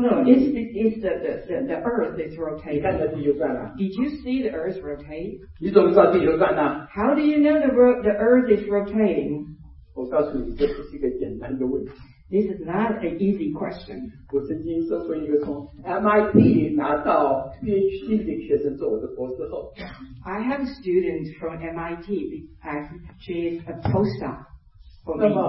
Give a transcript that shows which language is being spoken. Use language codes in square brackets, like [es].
[en] It's the earth is rotating. [zh] 你看到地球转了？ [en] Did you see the earth rotate? [zh] 你怎么知道地球转呢？ [en] How do you know the earth is rotating? [zh] 我告诉你，这不是一个简单的问题。 [en] This is not an easy question. [zh] 我曾经说过一个从 MIT 拿到 PhD 的学生做我的博士后。I [en] have a student from MIT, she is a postdoc for me.